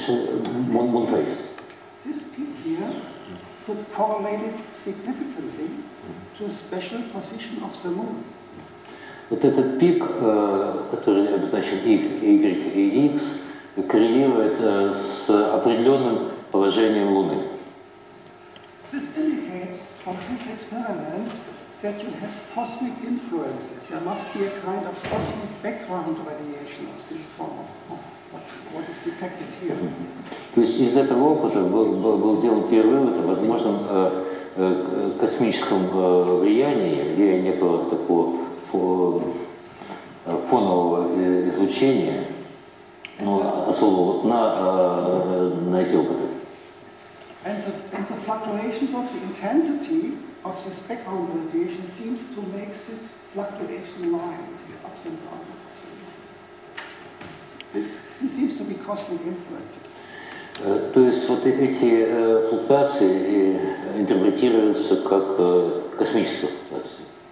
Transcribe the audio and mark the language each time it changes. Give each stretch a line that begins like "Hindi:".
English: This peak here could correlate it significantly to a special position of the moon.
Russian: Вот этот пик, который обозначен Y и X, коррелирует с определенным положением Луны.
English: This indicates from this experiment that you have cosmic influences. There must be a kind of cosmic background radiation of this form of what is detected here.
Russian: То есть из этого опыта был сделан первый вывод о возможном космическом влиянии или некого такого фонового излучения, ну, особого на эти опыты.
English: And the fluctuations of the intensity of this background radiation seems to make this fluctuation line here, ups and downs, ups and downs. This seems to be cosmic influences.
Russian: То есть вот эти флуктуации интерпретируются как космические флуктуации.